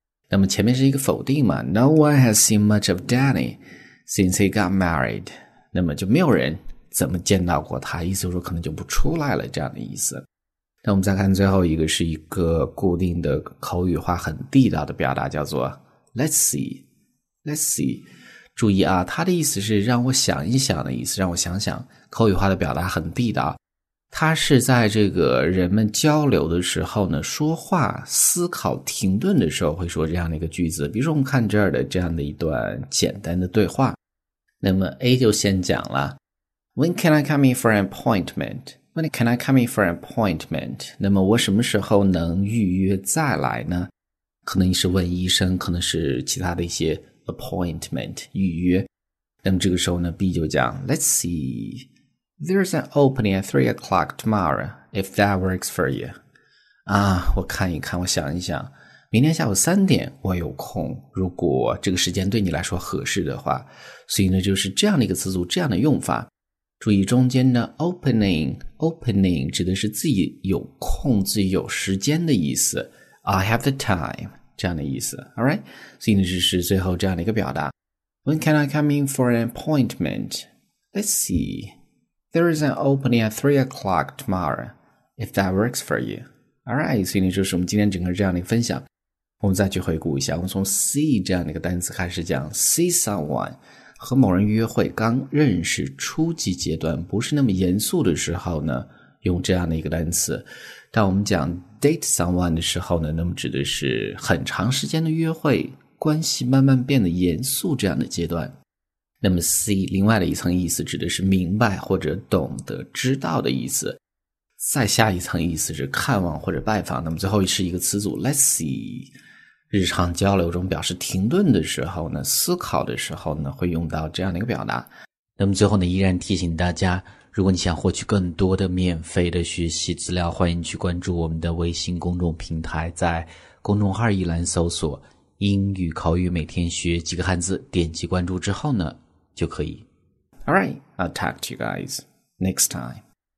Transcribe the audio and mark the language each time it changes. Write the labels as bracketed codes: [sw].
[en] 那么前面是一个否定嘛， No one has seen much of Danny since he got married. [zh] 那么就没有人怎么见到过他，意思就是说可能就不出来了，这样的意思。那我们再看最后一个，是一个固定的口语化很地道的表达，叫做 Let's see, Let's see。注意啊，它的意思是让我想一想的意思，让我想想，口语化的表达很地道。它是在这个人们交流的时候呢，说话思考停顿的时候会说这样的一个句子。比如说我们看这儿的这样的一段简单的对话，那么 A 就先讲了， When can I come in for an appointment? [en] When can I come in for an appointment? [zh] 那么我什么时候能预约再来呢？可能你是问医生，可能是其他的一些 appointment 预约。 [en] 那么这个时候呢 ，B 就讲，Let's see, there's an opening at 3 o'clock tomorrow. If that works for you. [zh] 啊，我看一看，我想一想，明天下午3点我有空，如果这个时间对你来说合适的话。所以呢，就是这样的一个词组，这样的用法。注意中间的 opening 指的是自己有空、自己有时间的意思， I have the time 这样的意思。 [en] Alright，所以呢这是最后这样的一个表达。 When can I come in for an appointment? Let's see， There is an opening at 3 o'clock tomorrow, if that works for you. [zh] All right, 所以这是我们今天整个这样的一个分享。我们再去回顾一下，我们从 see 这样的一个单词开始讲 ，see someone 和某人约会，刚认识初级阶段，不是那么严肃的时候呢，用这样的一个单词。当我们讲 date someone 的时候呢，那么指的是很长时间的约会，关系慢慢变得严肃这样的阶段。那么 see 另外的一层意思指的是明白或者懂得知道的意思，再下一层意思是看望或者拜访。那么最后是一个词组 let's see， 日常交流中表示停顿的时候呢，思考的时候呢，会用到这样的一个表达。那么最后呢，依然提醒大家，如果你想获取更多的免费的学习资料，欢迎去关注我们的微信公众平台，在公众号一栏搜索英语口语每天学几个汉字，点击关注之后呢就可以。 [en] Alright, I'll talk to you guys next time.